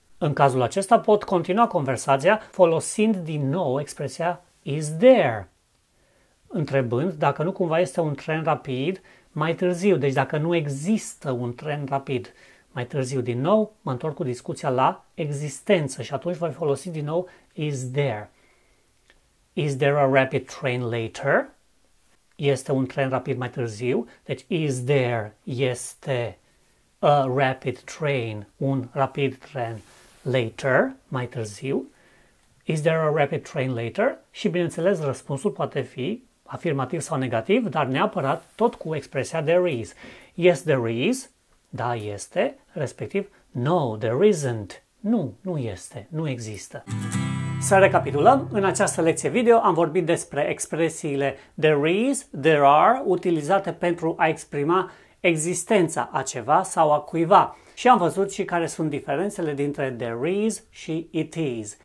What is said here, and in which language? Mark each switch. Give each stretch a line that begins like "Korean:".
Romanian: În cazul acesta pot continua conversația folosind din nou expresia
English: is there.
Romanian: Întrebând dacă nu cumva este un tren rapid mai târziu. Deci dacă nu există un tren rapid mai târziu din nou, mă întorc cu discuția la existență și atunci voi folosi din nou
English: is there. Is there a rapid train later?
Romanian: Este un tren rapid mai târziu. Deci
English: is there
Romanian: este
English: a rapid train,
Romanian: un rapid tren later, mai târziu.
English: Is there a rapid train later?
Romanian: Și bineînțeles, răspunsul poate fi afirmativ sau negativ, dar neapărat tot cu expresia
English: there is. Yes, there is.
Romanian: Da, este.
English: Respectiv, no, there isn't.
Romanian: Nu, nu este. Nu există. Să recapitulăm. În această lecție video am vorbit despre expresiile
English: there is, there are,
Romanian: utilizate pentru a exprima existența a ceva sau a cuiva. Și am văzut și care sunt diferențele dintre
English: there is
Romanian: și
English: it is.